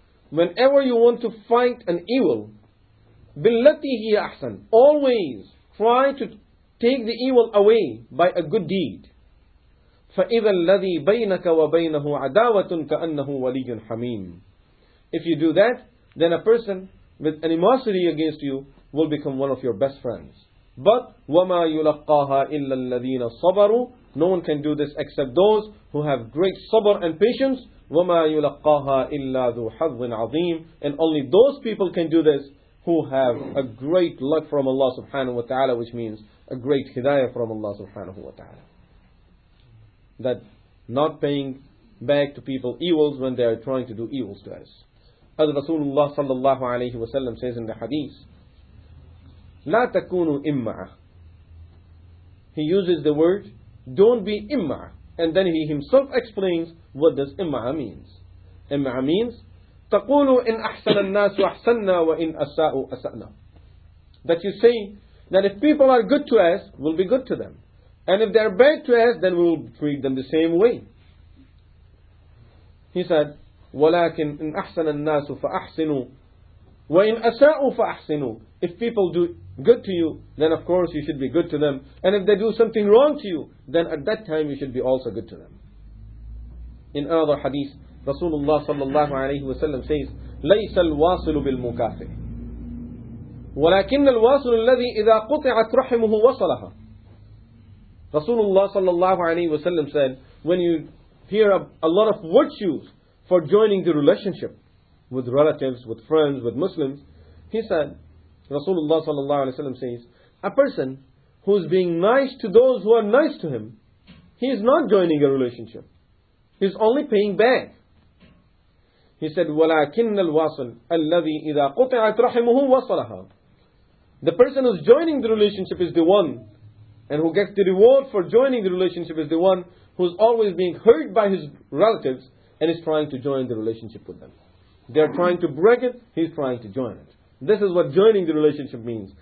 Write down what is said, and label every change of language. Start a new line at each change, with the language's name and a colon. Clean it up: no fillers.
English: Whenever you want to fight an evil,
Arabic: بِالَّتِي هِيَ أَحْسَنُ,
English: always try to take the evil away by a good deed.
Arabic: فَإِذَا الَّذِي بَيْنَكَ وَبَيْنَهُ عَدَاوَةٌ كَأَنَّهُ وَلِيٌّ حَمِيمٌ.
English: If you do that, then a person with animosity against you will become one of your best friends. But
Arabic: وَمَا يُلَقَّاهَا إِلَّا الَّذِينَ صَبَرُوا.
English: No one can do this except those who have great sabr and patience.
Arabic: وَمَا يُلَقَّاهَا إِلَّا ذُو حَظٍ عَظِيمٍ.
English: And only those people can do this who have a great luck from Allah subhanahu wa ta'ala, which means a great hidayah from Allah subhanahu wa ta'ala. That not paying back to people evils when they are trying to do evils to us. As Rasulullah sallallahu alayhi wa sallam says in the hadith,
Arabic: لا تكونوا إمعة.
English: He uses the word, don't be إمعة. And then he himself explains what does إمعة means.
Arabic: إمعة
English: means,
Arabic: تقولوا إن أحسن الناس أحسننا وإن أساءوا أسأنا.
English: That you say that if people are good to us, we'll be good to them. And if they are bad to us, then we'll treat them the same way. He said,
Arabic: ولكن إن أحسن الناس فأحسنوا وإن أساءوا فأحسنوا.
English: If people do good to you, then of course you should be good to them. And if they do something wrong to you, then at that time you should be also good to them. In another hadith, Rasulullah sallallahu alayhi wa sallam says,
Arabic: لَيْسَ الْوَاصِلُ بِالْمُكَافِ وَلَكِنَّ الْوَاصِلُ الَّذِي إِذَا قُطِعَتْ رَحِمُهُ وَصَلَهَا.
English: Rasulullah sallallahu alayhi wa sallam said, when you hear a lot of virtues for joining the relationship with relatives, with friends, with Muslims, he said, Rasulullah sallallahu alayhi wa sallam says, a person who is being nice to those who are nice to him, he is not joining a relationship. He is only paying back. He said,
Arabic: وَلَكِنَّ الْوَاصِلُ الَّذِي إِذَا قُطِعَتْ رَحِمُهُ وَصَلَهَا.
English: The person who is joining the relationship is the one, and who gets the reward for joining the relationship is the one who is always being hurt by his relatives and is trying to join the relationship with them. They are trying to break it, he is trying to join it. This is what joining the relationship means.